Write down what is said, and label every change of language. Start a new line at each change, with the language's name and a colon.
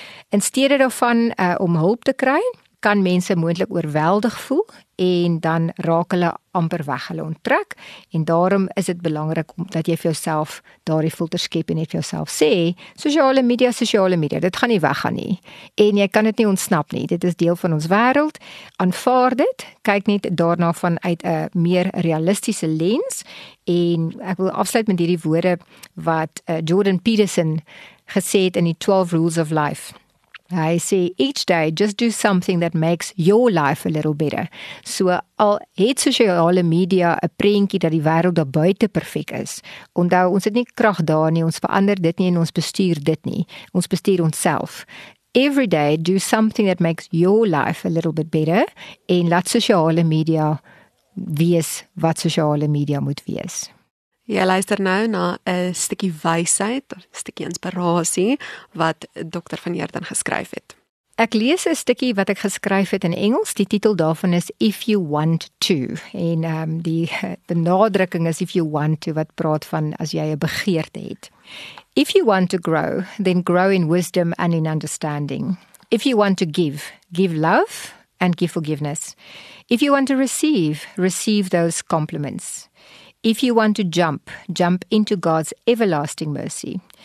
Afrikaans: In steede daarvan om hulp te kry, kan mense moontlik oorweldig voel en dan raak hulle amper weg, hulle onttrek en daarom is dit belangrik dat jy vir jouself daardie filter skep en net vir jouself sê, sosiale media, dit gaan nie weggaan nie en jy kan dit nie ontsnap nie, dit is deel van ons wêreld, aanvaar dit, kyk net daarna vanuit 'n meer realistiese lens en ek wil afsluit met hierdie woorde wat Jordan Peterson gesê het in die 12 Rules of Life.
English: I see each day just do something that makes your life a little better.
Afrikaans: So al het sosiale media 'n prentjie dat die wêreld daar buite perfek is. Onthou, ons het nie krag daar nie, ons verander dit nie en ons bestuur dit nie. Ons bestuur onsself.
English: Every day do something that makes your life a little bit better
Afrikaans: en laat sosiale media wees wat sosiale media moet wees. Jy luister nou na 'n stukkie wysheid, 'n stukkie inspirasie wat Dr. Van Heerden geskryf het. Ek lees 'n stukkie wat ek geskryf het in Engels. Die titel daarvan is If You Want To. En die benadrukking is If You Want To, wat praat van as jy 'n begeerte het.
English: If you want to grow, then grow in wisdom and in understanding. If you want to give, give love and give forgiveness. If you want to receive, receive those compliments. If you want to jump, jump into God's everlasting mercy.